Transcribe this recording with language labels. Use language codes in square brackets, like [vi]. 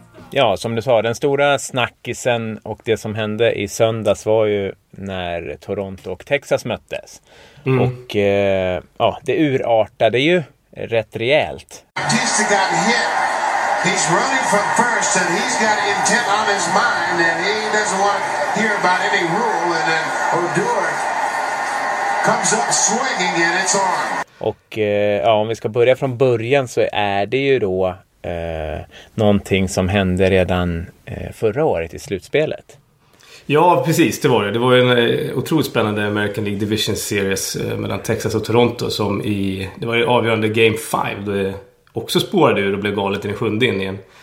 [sv] Ja, som du sa, den stora snackisen och det som hände i söndags var ju när Toronto och Texas möttes. Mm. Och ja, det urartade ju rätt rejält. [en] Batista got hit. He's running from first and he's got intent on his mind and he doesn't want to hear about any rule and then Odor comes up swinging and it's on. [sv] Och ja, om vi ska börja från början så är det ju då någonting som hände redan förra året i slutspelet. Ja, precis, det var det. Det var ju en otroligt spännande American League Division Series mellan Texas och Toronto som i, det var ju avgörande Game 5 då också spårade ur och blev galet i den sjunde inningen.